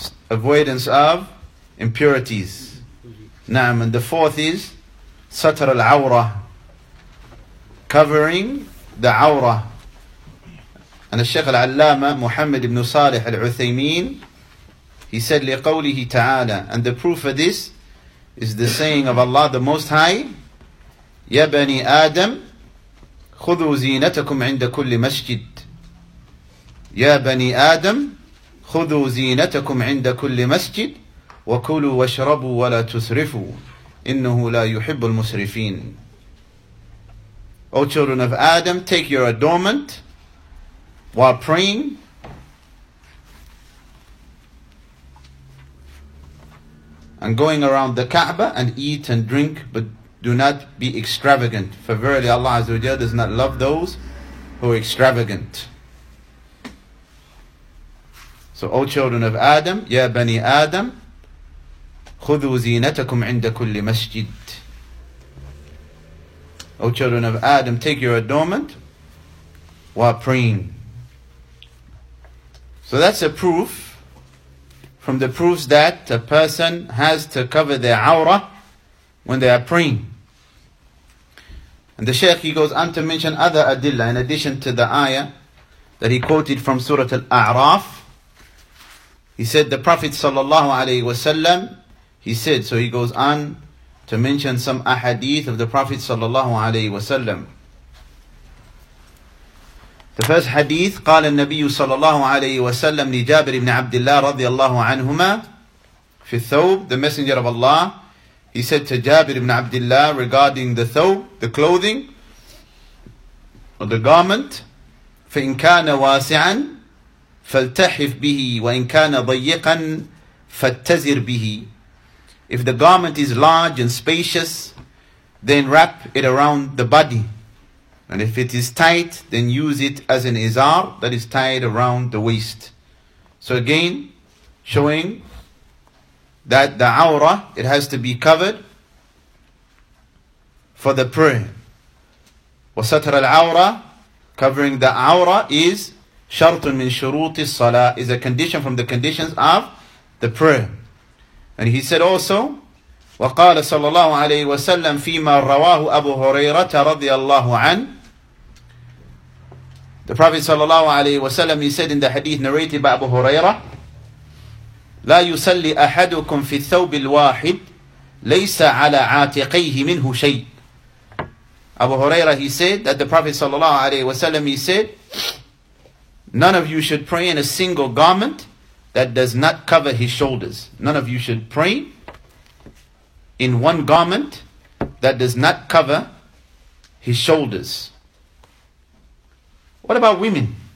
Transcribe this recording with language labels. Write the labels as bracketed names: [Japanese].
[English] Avoidance of impurities. [Arabic] نعم [English] and the fourth is ستر العورة. Covering the عورة. And الشيخ العلامة محمد بن صالح العثيمين He said, [Arabic] لِقَوْلِهِ تَعَالَى [English] And the proof of this is the saying of Allah, the Most High, [Arabic] يَا بَنِي آدَمُ خُذُوا زِينَتَكُمْ عِنْدَ كُلِّ مَسْجِدٍ يَا بَنِي آدَمُ خُذُوا زِينَتَكُمْ عِنْدَ كُلِّ مَسْجِدٍ وَكُلُوا وَاشْرَبُوا وَلَا تُسْرِفُوا إِنَّهُ لَا يُحِبُّ الْمُسْرِفِينَ [English] O children of Adam, take your adornment while praying. And going around the Kaaba and eat and drink, but do not be extravagant. For verily Allah Azza wa Jalla does not love those who are extravagant. So, O children of Adam, Ya Bani Adam, [Arabic] خذوا زينتكم عند كل مسجد. [English] O children of Adam, take your adornment while praying. So that's a proof. From the proofs that a person has to cover their awrah when they are praying. And the Shaykh, he goes on to mention other adillah in addition to the ayah that he quoted from Surah Al-A'raf. He said the Prophet sallallahu alayhi wasallam, he said, so he goes on to mention some ahadith of the Prophet sallallahu alayhi wasallam. [Arabic] The first hadith, قال النبي صلى الله عليه وسلم لجابر بن عبد الله رضي الله عنهما في الثوب, [English] the messenger of Allah, he said to جابر بن عبد الله regarding the thawb, the clothing, or the garment, [Arabic] فإن كان واسعا فالتحف به وإن كان ضيقا فاتزر به. [English] If the garment is large and spacious, then wrap it around the body. And if it is tight, then use it as an izar that is tied around the waist. So again, showing that the awrah, it has to be covered for the prayer. [Arabic] وَسَتْرَ الْعَوْرَةِ [English] Covering the awrah is [Arabic] شَرْطٌ مِنْ شُرُوطِ الصَّلَاةِ [English] Is a condition from the conditions of the prayer. And he said also, [Arabic] وَقَالَ صَلَّى اللَّهُ عَلَيْهِ وَسَلَّمْ فِيمَا رَوَاهُ أَبُو هُرَيْرَةَ رَضِيَ اللَّهُ عَنْهُ [English] The Prophet ﷺ, he said in the hadith narrated by Abu Hurairah, [Arabic] لا يصلي أحدكم في الثوب الواحد ليس على عاتقيه منه شيء. [English] Abu Huraira, he said that the Prophet sallallahu alayhi wa sallam, he said, none of you should pray in a single garment that does not cover his shoulders. None of you should pray in one garment that does not cover his shoulders. What about women?